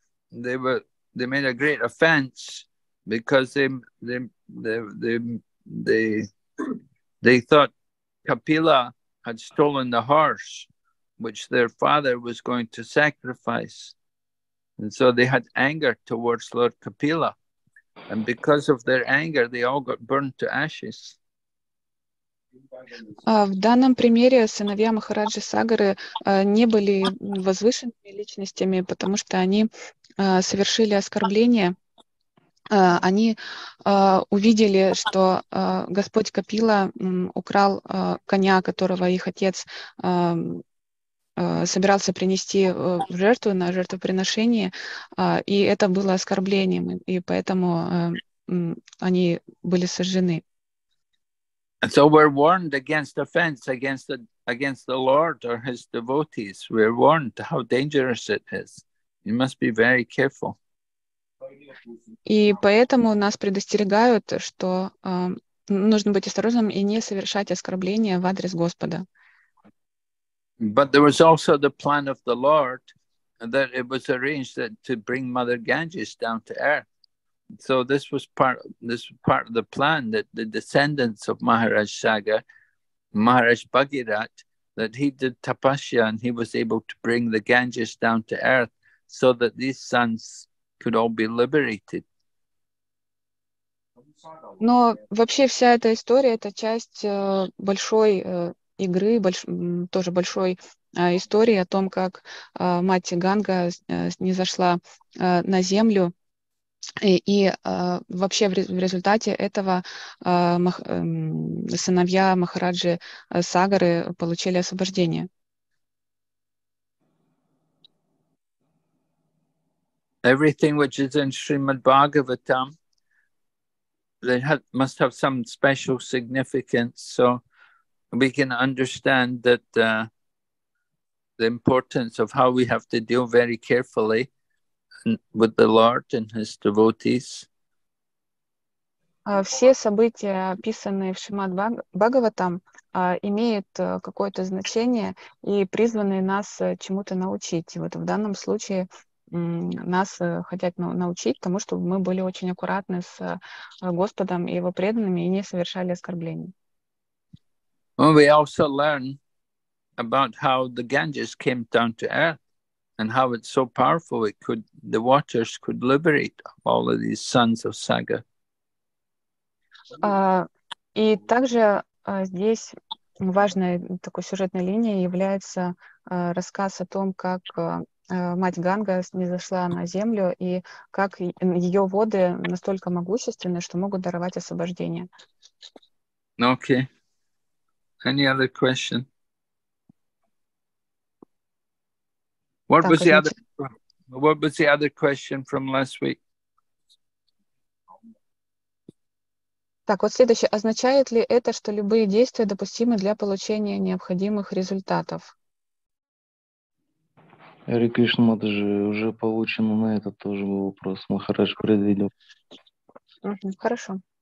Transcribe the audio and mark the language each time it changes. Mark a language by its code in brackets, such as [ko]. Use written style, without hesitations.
[en] They made a great offense because they thought Kapila had stolen the horse which their father was going to sacrifice, and so they had anger towards Lord Kapila, and because of their anger they all got burned to ashes. [ru] В данном примере сыновья Махараджи Сагары не были возвышенными личностями, потому что они совершили оскорбление. Они увидели, что Господь Капила украл коня, которого их отец собирался принести в жертву, на жертвоприношение, и это было оскорблением, и поэтому они были сожжены. [en] And so we're warned against offense against the Lord or his devotees. We're warned how dangerous it is. You must be very careful. [ru] И поэтому нас предостерегают, что нужно быть осторожным и не совершать оскорбления в адрес Господа. [en] But there was also the plan of the Lord that it was arranged that to bring Mother Ganges down to earth. So this was part of the plan that the descendants of Maharaj Sagar, Maharaj Bhagirath, that he did tapasya and he was able to bring the Ganges down to earth so that these sons could all be liberated. [ru] Но вообще вся эта история — это часть большой игры, тоже большой истории о том, как мать Ганга снизошла на землю. И вообще в результате этого сыновья Махараджи Сагары получили освобождение. [en] Everything which is in Srimad Bhagavatam, they must have some special significance, so we can understand that the importance of how we have to deal very carefully with the Lord and his devotees. [ru] Все события, описанные в Шримад Бхагаватам, имеют какое-то значение и призваны нас чему-то научить. И вот в данном случае нас хотят научить тому, чтобы мы были очень аккуратны с Господом и его преданными и не совершали оскорблений. [en] Well, we also learn about how the Ganges came down to earth and how it's so powerful it could, the waters could liberate all of these sons of Saga. [ru] И также здесь важной такой сюжетной линией является рассказ о том, как мать Ганга снизошла на землю и как ее воды настолько могущественны, что могут даровать освобождение. [en] Okay. Any other question? What was the other question from last week? [ru] Так, вот следующее. Означает ли это, что любые действия допустимы для получения необходимых результатов? Эри Кришнамад же уже получен на этот тоже был вопрос. Махарадж предвидел. Хорошо.